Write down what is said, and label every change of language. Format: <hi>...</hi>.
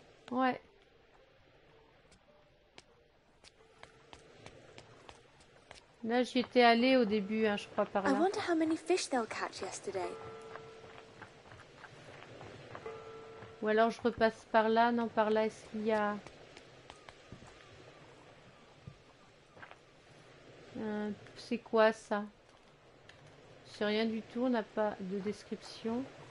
<fr>Ouais. Là, j'y étais allée au début, hein, je crois, par là.</fr> <en>I wonder how many fish they'll catch yesterday.</en> <fr>Ou alors je repasse par là. Non, par là, est-ce qu'il y a... c'est quoi, ça? C'est rien du tout, on n'a pas de description.</fr>